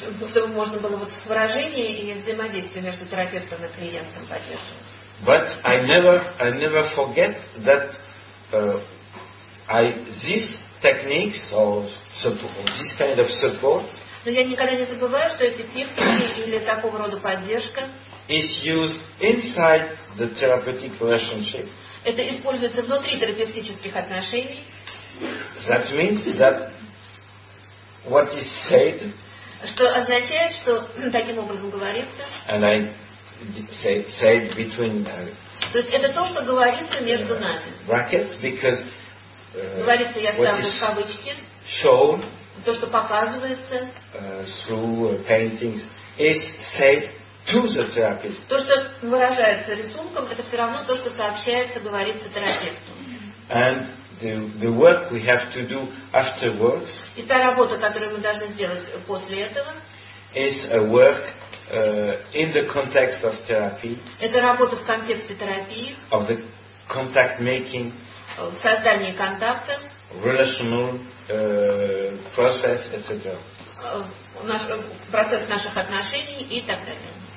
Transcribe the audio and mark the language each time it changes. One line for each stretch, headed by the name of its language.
Russian: Чтобы можно было вот выражение и взаимодействие между терапевтом и клиентом поддерживать.
English: But I never forget that these techniques or support, this kind of support.
Russian: Но я никогда не забываю, что эти техники или такого рода поддержка.
English: Is used inside the therapeutic relationship.
Russian: Это используется внутри терапевтических отношений.
English: That means that what is said.
Russian: Что означает, что таким образом говорится.
English: And I say it between.
Russian: То есть это то, что говорится между нами.
English: Brackets, because.
Russian: Говорится, я ставлю в кавычки.
English: Shown.
Russian: То, что показывается.
English: Through paintings is said. To the therapist.
Russian: То, что выражается рисунком, это все равно то, что сообщается, говорится терапевту.
English: And the work we have to do afterwards.
Russian: И та работа, которую мы должны сделать после этого.
English: Is a work in the context of therapy.
Russian: Это работа в контексте терапии.
English: Of the contact making.
Russian: В создании контакта.
English: Relational process, etc.
Russian: Наш процесс наших отношений и так далее.